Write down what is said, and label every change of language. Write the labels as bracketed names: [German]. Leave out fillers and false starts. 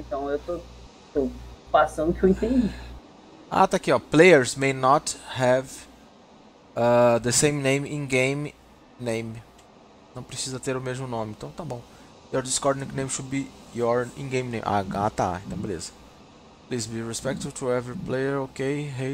[Portuguese] Então eu tô passando o que eu entendi. Ah, tá aqui, ó. [English] Players may not have the same name in game name. [Portuguese] Não precisa ter o mesmo nome, então tá bom. [English] Your Discord nickname should be your in-game name. [Portuguese] Ah, tá, então beleza. [English] Please be respectful to every player, ok?